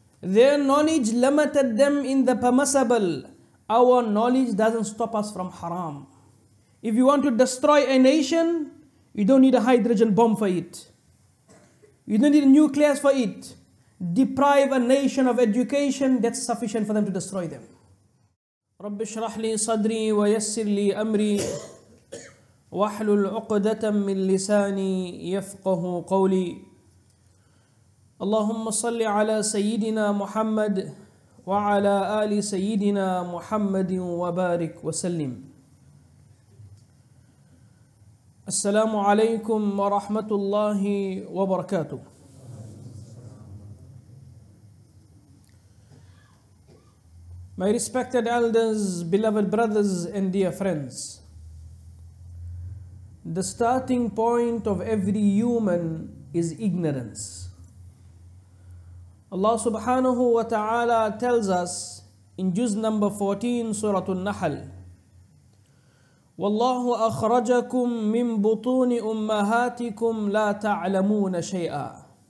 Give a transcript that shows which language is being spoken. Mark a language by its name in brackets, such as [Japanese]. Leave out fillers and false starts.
[English] Their knowledge limited them in the permissible. Our knowledge doesn't stop us from haram. If you want to destroy a nation, you don't need a hydrogen bomb for it. You don't need nuclears for it. Deprive a nation of education, that's sufficient for them to destroy them. [Arabic] رب اشرح لي صدري ويسر لي امري واحلل عقدة من لساني يفقه قولي اللهم صل على سيدنا محمد وعلى آل سيدنا محمد وبارك وسلم السلام عليكم ورحمة الله وبركاته. [English] My respected elders, beloved brothers, and dear friends, the starting point of every human is ignorance. Allah subhanahu wa ta'ala tells us in Juz number 14, Surah An-Nahl, [Arabic] وَاللَّهُ أَخْرَجَكُمْ مِنْ بُطُونِ أُمَّهَاتِكُمْ لَا تَعْلَمُونَ شَيْئًا.